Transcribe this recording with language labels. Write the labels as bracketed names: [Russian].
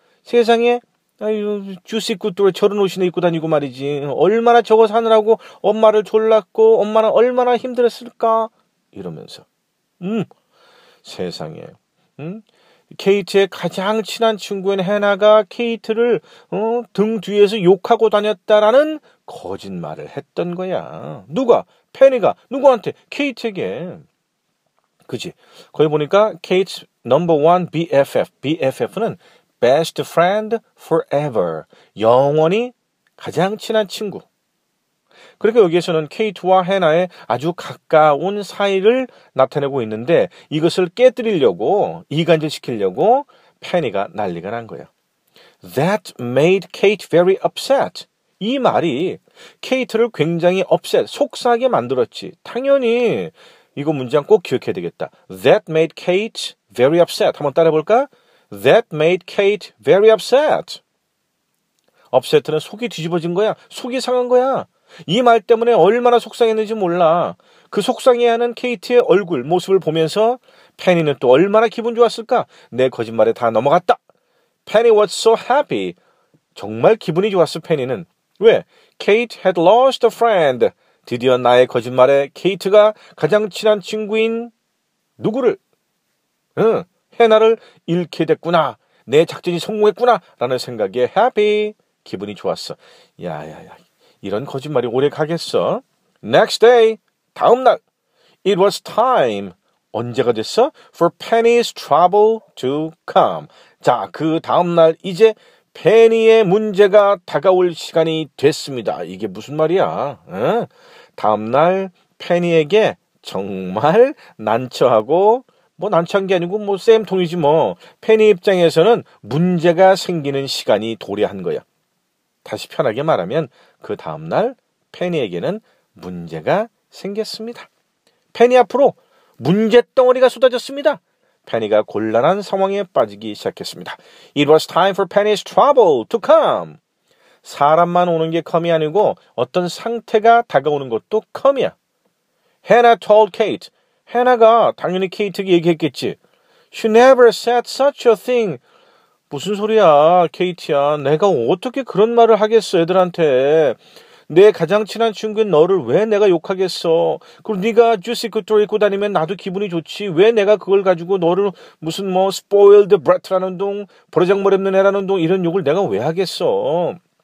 [Korean] 세상에 아유 주식 굿돌 저런 옷이나 입고 다니고 말이지 얼마나 저거 사느라고 엄마를 졸랐고 엄마는 얼마나 힘들었을까? 이러면서 세상에 케이트의 가장 친한 친구인 해나가 케이트를 등 뒤에서 욕하고 다녔다라는 거짓말을 했던 거야. 누가? 페니가? 누구한테? 케이트에게. 그지? 거기 보니까 [English] Kate's number one BFF. BFF는 best friend forever. [Korean] 영원히 가장 친한 친구. 그러니까 여기에서는 케이트와 해나의 아주 가까운 사이를 나타내고 있는데 이것을 깨뜨리려고, 이간질시키려고 페니가 난리가 난 거야. [English] That made Kate very upset. [Korean] 이 말이 케이트를 굉장히 upset, 속상하게 만들었지. 당연히 이거 문장 꼭 기억해야 되겠다. [English] That made Kate very upset. [Korean] 한번 따라해볼까? [English] That made Kate very upset. [Korean] Upset는 속이 뒤집어진 거야. 속이 상한 거야. 이 말 때문에 얼마나 속상했는지 몰라. 그 속상해하는 케이트의 얼굴, 모습을 보면서 페니는 또 얼마나 기분 좋았을까? 내 거짓말에 다 넘어갔다. [English] Penny was so happy. [Korean] 정말 기분이 좋았어, 페니는. [English] 왜? Kate had lost a friend. [Korean] 드디어 나의 거짓말에 케이트가 가장 친한 친구인 누구를? 응, 해나를 잃게 됐구나. 내 작전이 성공했구나. 라는 생각에 happy. 기분이 좋았어. 야야야, 이런 거짓말이 오래 가겠어? [English] Next day, [Korean] 다음날. [English] It was time. [Korean] 언제가 됐어? [English] For Penny's trouble to come. [Korean] 자, 그 다음날 이제 페니의 문제가 다가올 시간이 됐습니다. 이게 무슨 말이야? 응? 다음날 페니에게 정말 난처하고 뭐 난처한 게 아니고 뭐 쌤통이지 뭐 페니 입장에서는 문제가 생기는 시간이 도래한 거야. 다시 편하게 말하면 그 다음날 페니에게는 문제가 생겼습니다. 페니 앞으로 문제덩어리가 쏟아졌습니다. 페니가 곤란한 상황에 빠지기 시작했습니다. [English] It was time for Penny's trouble to come. [Korean] 사람만 오는 게 come이 아니고 어떤 상태가 다가오는 것도 come이야. [English] Hannah told Kate. [Korean] Hannah가 당연히 케이트에게 얘기했겠지. [English] She never said such a thing. [Korean] 무슨 소리야, 케이트야. 내가 어떻게 그런 말을 하겠어, 애들한테. 내 가장 친한 친구인 너를 왜 내가 욕하겠어? 그리고 네가 주시 쿠토를 입고 다니면 나도 기분이 좋지. 왜 내가 그걸 가지고 너를 무슨 뭐 스포일드 브레트라는 둥, 버르장머리 없는 애라는 둥 이런 욕을 내가 왜 하겠어?